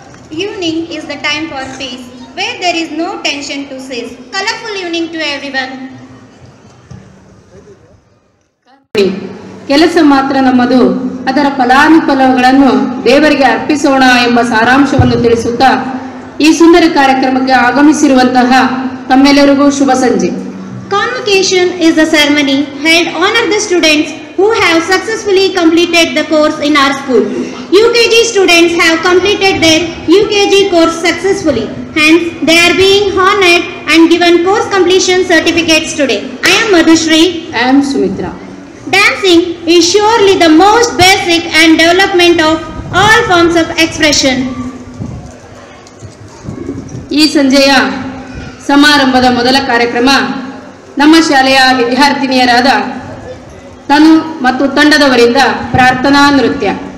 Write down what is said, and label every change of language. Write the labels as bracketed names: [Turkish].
[English] Evening is the time for peace, where there is no tension to cease. Colorful evening to everyone. [Kannada] ಕೆಲಸ ಮಾತ್ರ ನಮ್ಮದು, ಅದರ ಫಲಾನುಫಲಗಳನ್ನು ದೇವರಿಗೆ ಅರ್ಪಿಸೋಣ ಎಂಬ ಸಾರಾಂಶವನ್ನು ತಿಳಿಸುತ್ತಾ ಈ ಸುಂದರ ಕಾರ್ಯಕ್ರಮಕ್ಕೆ ಆಗಮಿಸಿರುವಂತಹ ತಮ್ಮೆಲ್ಲರಿಗೂ ಶುಭ ಸಂಜೆ. [English] Convocation is a ceremony held honour the students who have successfully completed the course in our school. U K G students have completed their U K G course successfully, hence they are being honoured and given course completion certificates today. I am Madhushree. I am Sumitra. Dancing is surely the most basic and development of all forms of expression. [Kannada] ಈ ಸಂಜೆಯ ಸಮಾರಂಭದ ಮೊದಲ ಕಾರ್ಯಕ್ರಮ ನಮ್ಮ ಶಾಲೆಯ ವಿದ್ಯಾರ್ಥಿನಿಯರಾದ ತನು ಮತ್ತು ತಂಡದವರಿಂದ ಪ್ರಾರ್ಥನಾ ನೃತ್ಯ.